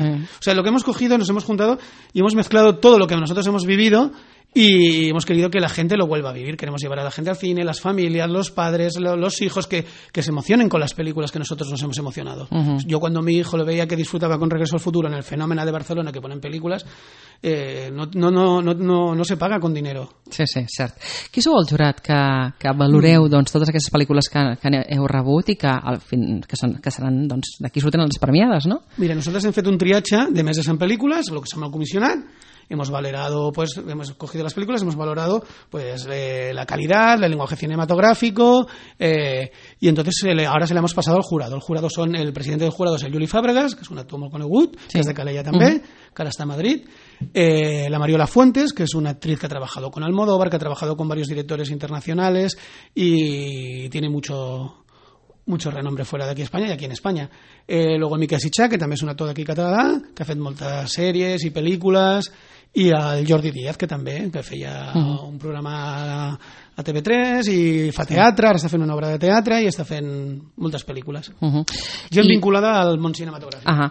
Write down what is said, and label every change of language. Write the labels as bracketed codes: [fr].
[es] O sea, lo que hemos cogido, nos hemos juntado y hemos mezclado todo lo que nosotros hemos vivido y hemos querido que la gente lo vuelva a vivir. Queremos llevar a la gente al cine, las familias, los padres, los hijos, que se emocionen con las películas que nosotros nos hemos emocionado. Yo cuando mi hijo lo veía que disfrutaba con Regreso al Futuro en el Fenómeno de Barcelona, que ponen películas, no se paga con dinero. [ca] Sí, sí, cert. Qui sou el jurat que valoreu doncs totes aquestes pel·lícules que heu rebut i que [es] al fin [ca] que seran doncs d'aquí surten les premiades, no? Mira, nosaltres hem fet un triatge de més de 100 pel·lícules, lo que som el comissionat. [es] Hemos valorado, pues, hemos cogido las películas, hemos valorado, pues, la calidad, el lenguaje cinematográfico, y entonces ahora se le hemos pasado al jurado. El jurado son, el presidente del jurado es el Juli Fàbregas, que es un actor con el Wood, sí, que es de Calella también, que ahora está en Madrid. La Mariola Fuentes, que es una actriz que ha trabajado con Almodóvar, que ha trabajado con varios directores internacionales y tiene mucho renombre fuera [ca] d'aquí a Espanya i aquí [es] en Espanya. [ca] Luego Miquel Sitxà, que també és un actor d'aquí català, que ha fet moltes sèries i pel·lícules, i el Jordi Díaz, que també, que feia un programa a TV3 i fa teatre, ara està fent una obra de teatre i està fent moltes pel·lícules. Gent i vinculada al món cinematogràfic.